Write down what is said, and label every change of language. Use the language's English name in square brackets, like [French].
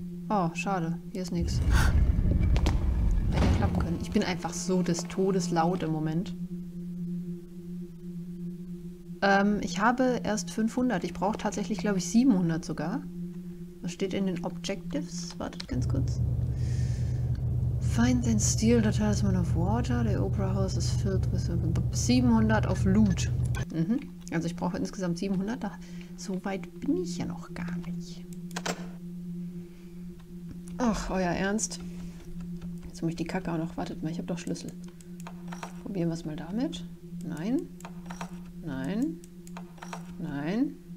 [German] Oh, schade. Hier ist nichts. Hätte klappen können. Ich bin einfach so des Todes laut im Moment. Ich habe erst 500. Ich brauche tatsächlich, glaube ich, 700 sogar. Was steht in den Objectives? Wartet ganz kurz. [English] Find and steal the talisman of water. The Opera House is filled with 700 of loot. Mhm. [German] Also ich brauche insgesamt 700. So weit bin ich ja noch gar nicht. Ach, euer Ernst. Jetzt muss ich die Kacke auch noch. Wartet mal, ich habe doch Schlüssel. Probieren wir es mal damit. Nein. Nein. Nein.